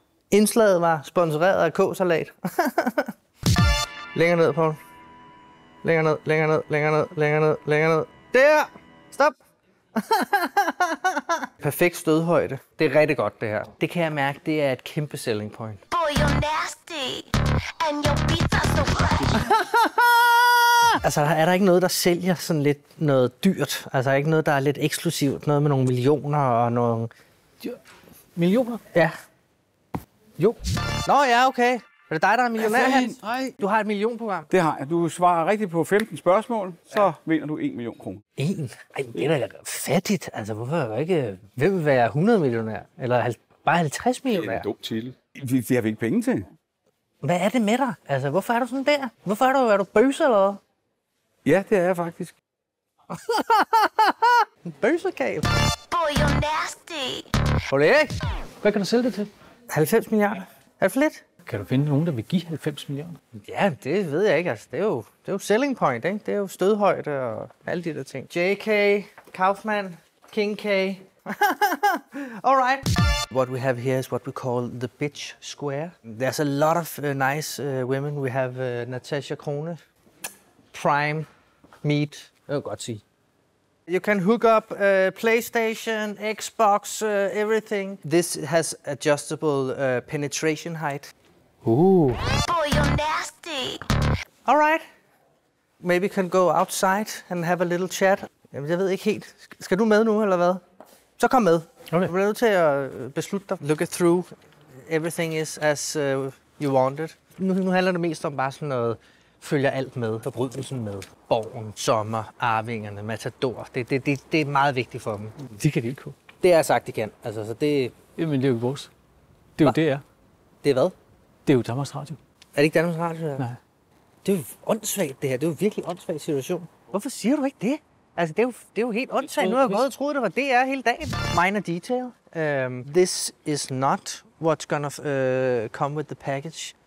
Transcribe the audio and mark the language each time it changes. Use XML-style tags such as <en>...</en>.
<da>Indslaget var sponsoreret af K-salat. Længere ned, Paul. Længere ned. Der! Stop! Perfekt stødhøjde. Det er rigtig godt, det her. Det kan jeg mærke, det er et kæmpe selling point.</da> <en>Boy, you're nasty, and your beats are so fresh.</en> <da>Altså, er der ikke noget, der sælger sådan lidt noget dyrt? Altså, er der ikke noget, der er lidt eksklusivt? Noget med nogle millioner og nogle... Millioner? Ja. Jo. Nå ja, okay. Er det dig, der er millionær, Hans? Nej. Du har et millionprogram. Det har jeg. Du svarer rigtigt på 15 spørgsmål, så ja. Vinder du 1 million kroner. 1? Ej, det er da fattigt. Altså, hvorfor er jeg ikke... Hvem vil være 100 millionær? Eller bare 50 millionær? Det er en dum titel. Det har vi ikke penge til. Hvad er det med dig? Altså, hvorfor er du sådan der? Hvorfor er du... Er du bøse eller hvad? Ja, det er jeg faktisk. Bøsekab.</da> <en>Boy, you're nasty.</en> <da>Hold det, ikke? Hvad kan du sælge det til? 90 milliarder. Er det for lidt? Kan du finde nogen, der vil give 90 millioner? Ja, det ved jeg ikke. Altså, det er jo selling point, ikke? Det er jo stødhøjde og alle de der ting.</da> <en>JK, Kaufmann, King K. All right. What we have here is what we call the bitch square. There's a lot of nice women. We have Natasha Krone. Prime. Meat.</en> <da>Det vil godt sige.</da> <en>You can hook up PlayStation, Xbox, everything. This has adjustable penetration height. Ooh. Boy, you're nasty. All right. Maybe can go outside and have a little chat.</en> <da>Jamen, jeg ved ikke helt. Skal du med nu, eller hvad? Så kom med. Okay. Du er nødt til at beslutte dig.</da> <en>Look it through. Everything is as you wanted.</en> <da>Nu handler det mest om bare sådan noget. Følger alt med. Forbrydelsen med. Borgen, sommer, arvingerne, matador. Det er meget vigtigt for dem. De kan de ikke kunne. Det har jeg sagt, de kan. Altså, så det... Jamen, det er jo ikke vores. Det er jo det, er. Det er hvad? Det er jo Danmarks Radio. Er det ikke Danmarks Radio? Nej. Det er jo åndssvagt, det her. Det er jo virkelig åndssvagt situation. Hvorfor siger du ikke det? Altså, det er jo helt åndssvagt. Nu har jeg gået og troet, det var DR hele dagen.</da> <en>Minor detail. This is not what's gonna come with the package.</en>